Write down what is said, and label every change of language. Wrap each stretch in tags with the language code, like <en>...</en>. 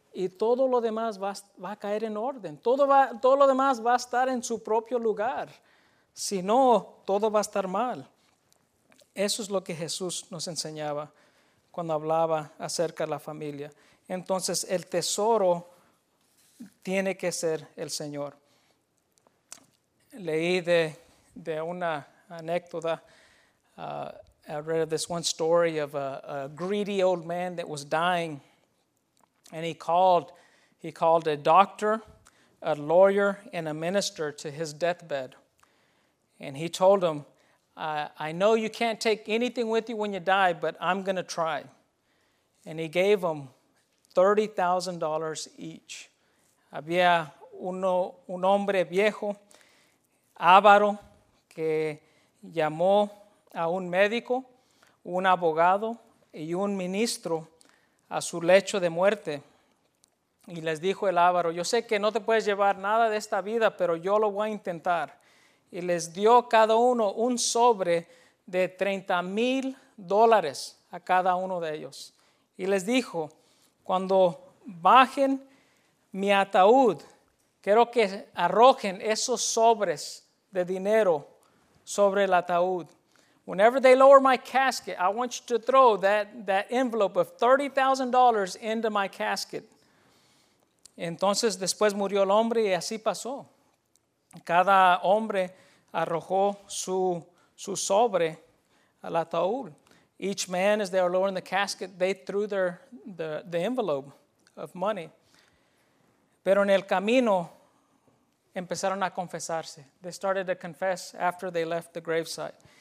<es>Y todo lo demás va a caer en orden, todo lo demás va a estar en su propio lugar. Si no, todo va a estar mal. Eso es lo que Jesús nos enseñaba cuando hablaba acerca de la familia. Entonces, el tesoro tiene que ser el Señor. Leí de una anécdota,</es> <en>I read this one story of a greedy old man that was dying, and he called a doctor, a lawyer, and a minister to his deathbed. And he told them, I know you can't take anything with you when you die, but I'm going to try. And he gave them $30,000 each.</en> <es>Había un hombre viejo, avaro, que llamó a un médico, un abogado y un ministro a su lecho de muerte. Y les dijo el avaro, yo sé que no te puedes llevar nada de esta vida, pero yo lo voy a intentar. Y les dio cada uno un sobre de $30,000 a cada uno de ellos. Y les dijo, cuando bajen mi ataúd, quiero que arrojen esos sobres de dinero sobre el ataúd.</es> <en>Whenever they lower my casket, I want you to throw that envelope of $30,000 into my casket.</en> <es>Entonces después murió el hombre y así pasó. Cada hombre arrojó su sobre al ataúd.</es> <en>Each man, as they were lowering the casket, they threw the envelope of money.</en> <es>Pero en el camino empezaron a confesarse.</es> <en>They started to confess after they left the gravesite.</en>